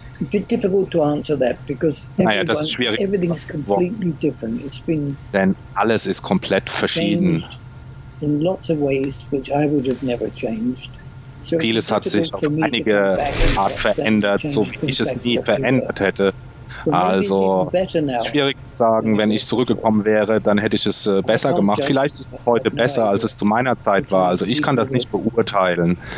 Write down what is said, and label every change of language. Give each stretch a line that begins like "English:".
English: Bit difficult to answer that because everything's completely different. It's been
German: Denn alles ist komplett verschieden.
English: In lots of ways, which I would have never changed.
German: So vieles hat sich auf einige Art verändert, so wie ich es nie verändert hätte. Also schwierig zu sagen, wenn ich zurückgekommen wäre, dann hätte ich es besser gemacht. Vielleicht ist es heute besser, als es zu meiner Zeit war. Also ich kann das nicht beurteilen.